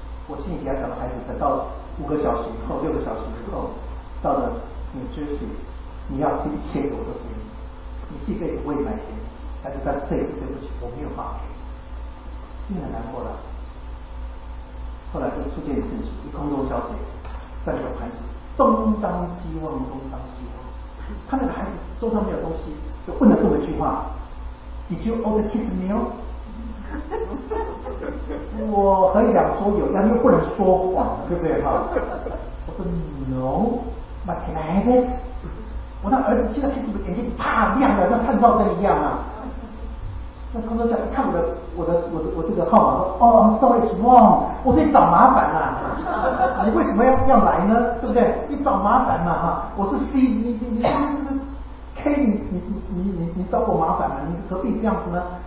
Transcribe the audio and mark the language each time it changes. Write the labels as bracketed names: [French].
[Chinese] 我心里给他讲的孩子，等到五个小时以后、六个小时以后，到了你休息，你要吃一千个我都给你，你这辈子我也买给你，但是在这一次对不起，我没有办法给，心里很难过了。后来就出现一件事情，一空中小姐在那个盘子东张西望，东张西望，看那个孩子桌上没有东西。就问了这么一句话 ， [English] Did you order kids meal？ [Chinese] 我很想说有，但又不能说谎，对不对哈？我说 [English] No， but can I have it？ [Chinese] 我那儿子见到 kids meal 眼睛啪亮了，像探照灯一样啊！那工作人员看我这个号码说 ， [English] Oh， I'm sorry， it's wrong。 [Chinese] 我说你找麻烦啦、啊，你为什么要来呢？对不对？你找麻烦嘛、啊、哈！我是 C， 你。嘿、hey, ，你找我麻烦了，你何必这样子呢？